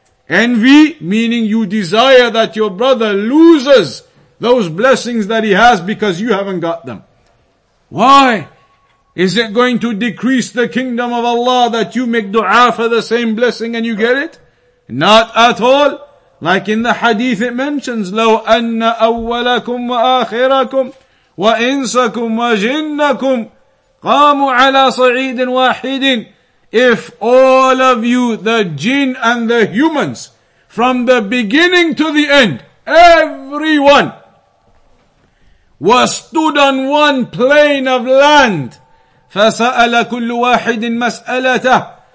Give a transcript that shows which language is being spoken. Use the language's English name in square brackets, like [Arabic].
[English] Envy, meaning you desire that your brother loses those blessings that he has because you haven't got them. Why? Is it going to decrease the kingdom of Allah that you make dua for the same blessing and you get it? Not at all. Like in the hadith it mentions, [Arabic] لَوْ أَنَّ أَوَّلَكُمْ وَآخِرَكُمْ وَإِنسَكُمْ وَجِنَّكُمْ قَامُوا عَلَى صَعِيدٍ وَاحِدٍ. [English] If all of you, the jinn and the humans, from the beginning to the end, everyone, were stood on one plane of land, [Arabic] فسأل كل واحد مسألته.